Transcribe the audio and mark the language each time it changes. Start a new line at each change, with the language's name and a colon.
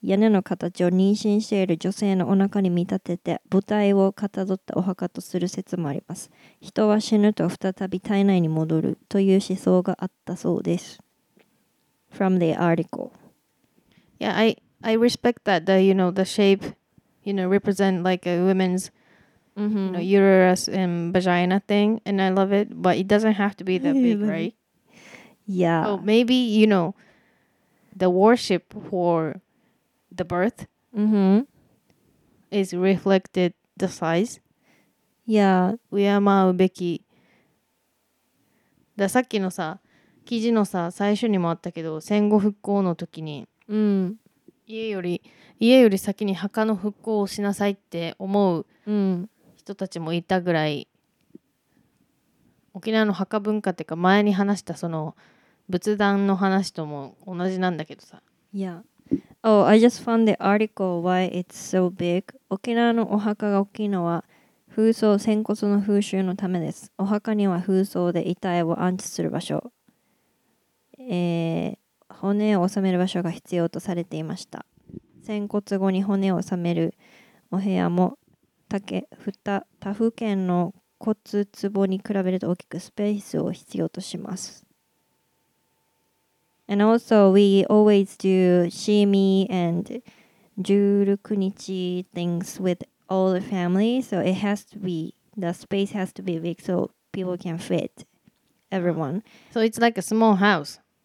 Japanese: 屋根の形を妊娠している女性のお腹に見立てて母体をかたどったお墓とする説もあります。人は死ぬと再び体内に戻るという思想があったそうです。
English: From the article. Yeah, I respect that, the, you know, the shape, you know, represent like a woman's, you know, uterus and vagina thing, and I love it, but it doesn't have to be that big, right? Yeah. Oh, maybe, you know,The worship for the birth is reflected the size. Yeah.
Japanese: 敬うべき。さっきのさ、記事のさ、最初にもあったけど、戦後復興の時に、家より先に墓の復興をしなさいって思う人たちもいたぐらい、沖縄の墓文化っていうか、前に話したその、仏壇の話とも同じなんだけどさ。
English: Yeah. Oh, I just found the article why it's so big.
Japanese: 沖縄のお墓が大きいのは風葬、仙骨の風習のためです。お墓には風葬で遺体を安置する場所、骨を納める場所が必要とされていました。仙骨後に骨を納めるお部屋も他府県の骨壺に比べると大きくスペースを必要とします。
English: And also, we always do Shimi and Jurukunichi things with all the family. So it has to be, the space has to be big so people can fit everyone. So it's like a small house.